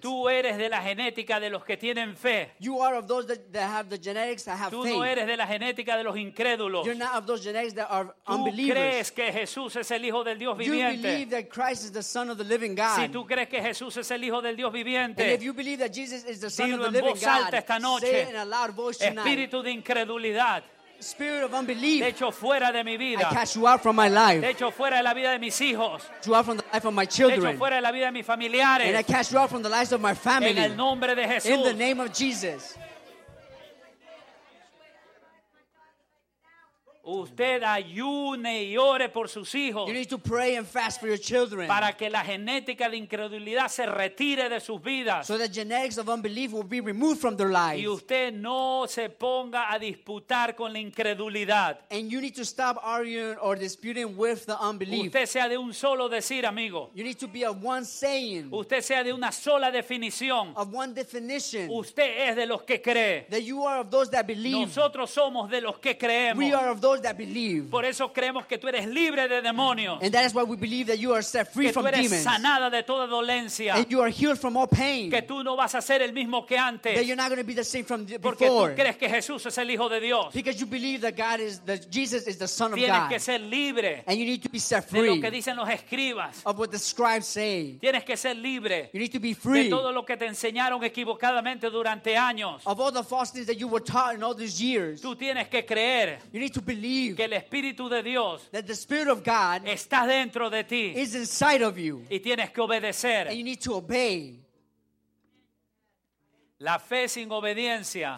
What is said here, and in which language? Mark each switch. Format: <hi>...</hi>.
<es>Tú eres de la genética de los que tienen fe.</es> <en>You are of those that have the genetics that have</en> <es>tú</es> <en>faith.</en> <es>Tú no eres de la genética de los incrédulos.</es> <en>You're not of those genetics that are unbelievers.</en> <es>Tú crees que Jesús es el Hijo del Dios viviente.</es> <en>You believe that Christ is the Son of the Living God.</en> <es>Si tú crees que Jesús es el Hijo del Dios viviente.</es> <en>And if you believe that Jesus is the Son of the Living God.</en> <es>Dilo en voz alta esta noche.</es> <en>Say it in a loud voice tonight.</en> <es>Espíritu de incredulidad.</es> <en>Spirit of unbelief.</en> <es>De hecho fuera de mi vida.</es> <en>I cast you out from my life.</en> <es>De hecho fuera de la vida de mis hijos.</es> <en>You out from the life of my children.</en> <es>De hecho fuera de la vida de mis familiares.</es> <en>And I cast you out from the lives of my family.</en> <es>En el nombre de Jesús.</es> <en>In the name of Jesus.</en> <es>Usted ayune y ore por sus hijos.</es> <en>You need to pray and fast for your children.</en> <es>Para que la genética de incredulidad se retire de sus vidas.</es> <en>So the genetics of unbelief will be removed from their lives.</en> <es>Y usted no se ponga a disputar con la incredulidad.</es> <en>And you need to stop arguing or disputing with the unbelief.</en> <es>Usted sea de un solo decir, amigo.</es> <en>You need to be of one saying.</en> <es>Usted sea de una sola definición.</es> <en>Of one definition.</en> <es>Usted es de los que cree.</es> <en>That you are of those that believe.</en> <es>Nosotros somos de los que creemos.</es> <en>We are of those that believe.</en> <es>Por eso creemos que tú eres libre de demonios.</es> <en>And that is why we believe that you are set free</en> <es>que</es> <en>from</en> <es>tú eres</es> <en>demons.</en> <es>Sanada de toda dolencia.</es> <en>And you are healed from all pain.</en> <es>Que tú no vas a ser el mismo que antes.</es> <en>That you're not going to be the same from before.</en> <es>Porque tú crees que Jesús es el Hijo de Dios.</es> <en>Because you believe that God is that Jesus is the Son of</en> <es>tienes</es> <en>God.</en> <es>Tienes que ser libre.</es> <en>And you need to be set free.</en> <es>De lo que dicen los escribas.</es> <en>Of what the scribes say.</en> <es>Tienes que ser libre.</es> <en>You need to be free.</en> <es>De todo lo que te enseñaron equivocadamente durante años.</es> <en>Of all the false things that you were taught in all these years.</en> <es>Tú tienes que creer.</es> <en>You need to believe.</en> <es>Que el Espíritu de Dios</es> <en>that the Spirit of God</en> <es>está dentro de ti</es> <en>is inside of you.</en> <es>Y tienes que obedecer.</es> <en>And you need to obey.</en> <es>La fe sin obediencia</es>